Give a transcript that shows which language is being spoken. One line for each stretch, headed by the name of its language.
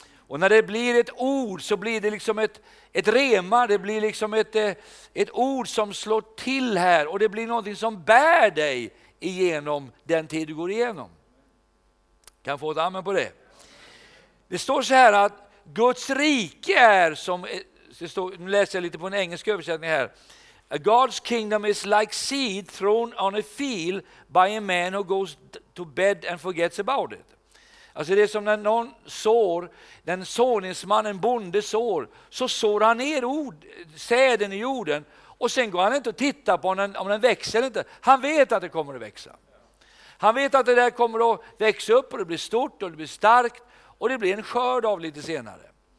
Swedish: Och när det blir ett ord så blir det liksom ett rema, det blir liksom ett ord som slår till här. Och det blir någonting som bär dig igenom den tid du går igenom. Kan få ett amen på det. Det står så här att Guds rike är som, det står, nu läser jag lite på en engelsk översättning här.
English: God's kingdom is like seed thrown on a field by a man who goes to bed and forgets about it.
Swedish: Alltså det är som när någon sår, den såningsmannen, bonde sår, så sår han ner ord, säden i jorden, och sen går han inte och tittar på om den växer eller inte. Han vet att det kommer att växa. Han vet att det där kommer att växa upp och det blir stort och det blir starkt och det blir en skörd av lite senare.